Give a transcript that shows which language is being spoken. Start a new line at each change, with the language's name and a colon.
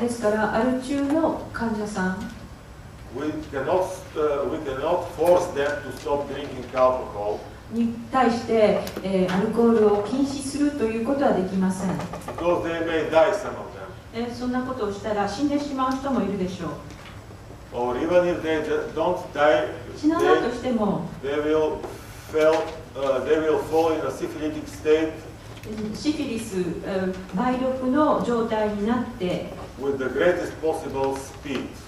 Japanese: ですからアル中の患者さん。
English: We cannot force them to stop drinking alcohol.
Japanese: に対して、アルコールを禁止するということはできません。
English: Because they may die, some of them.
Japanese: そんなことをしたら死んでしまう人もいるでしょう。
English: Or even if they don't die,
Japanese: 死なないとしても、
English: they will fall in a syphilitic state.
Japanese: シフィリス、梅毒の状態になって、
English: with the greatest possible speed.